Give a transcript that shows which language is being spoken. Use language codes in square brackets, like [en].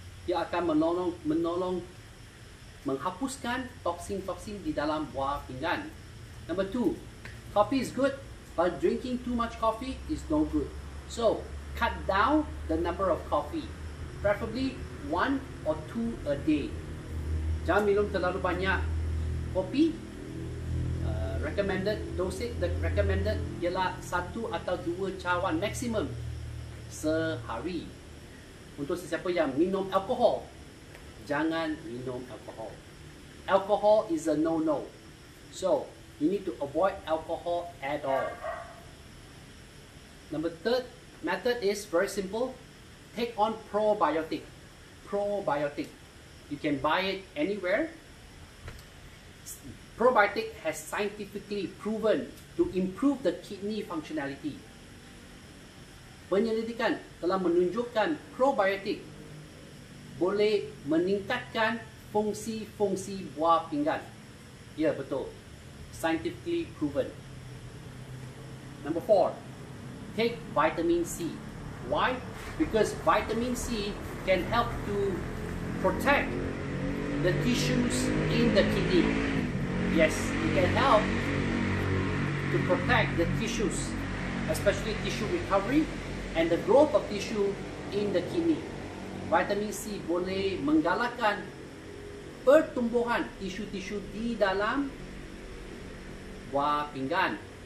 [ms] Ia akan menolong menghapuskan toksin-toksin di dalam buah pinggan. [en] Number 2. Coffee is good, but drinking too much coffee is no good. So, cut down the number of coffee. Preferably 1 or 2 a day. [ms] Jangan minum terlalu banyak kopi. [en] Recommended dosage, the recommended [ms] ialah 1 atau 2 cawan maksimum sehari. Untuk sesiapa yang minum alkohol, jangan minum alkohol. [en] Alcohol is a no-no. So, you need to avoid alcohol at all. Number 3rd method is very simple. Take on probiotic. Probiotic. You can buy it anywhere. Probiotic has scientifically proven to improve the kidney functionality. [ms] Penyelidikan telah menunjukkan probiotik boleh meningkatkan fungsi-fungsi buah pinggan. Ya, betul. [en] Scientifically proven. Number 4. Take vitamin C. Why? Because vitamin C can help to protect the tissues in the kidney. Yes, it can help to protect the tissues, especially tissue recovery and the growth of tissue in the kidney. [ms] Vitamin C boleh menggalakkan pertumbuhan tisu-tisu di dalam buah pinggan.